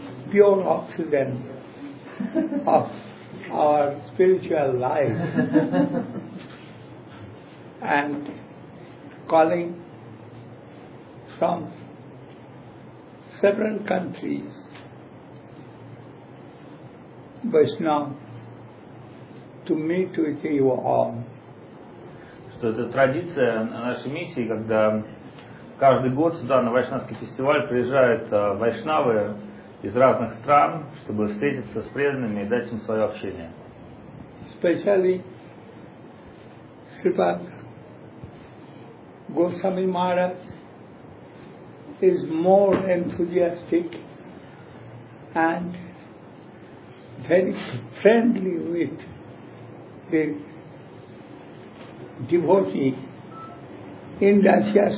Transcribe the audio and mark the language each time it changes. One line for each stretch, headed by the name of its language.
English: pure oxygen of our spiritual life and calling from several countries Vaishnava to meet with you all.
Russian: Что это традиция нашей миссии, когда каждый год сюда на Вайшнавский фестиваль приезжают вайшнавы из разных стран, чтобы встретиться с преданными и дать им свое общение.
English: Especially Sripad Goswami Maharaj is more enthusiastic and very friendly with the devotee in Russia.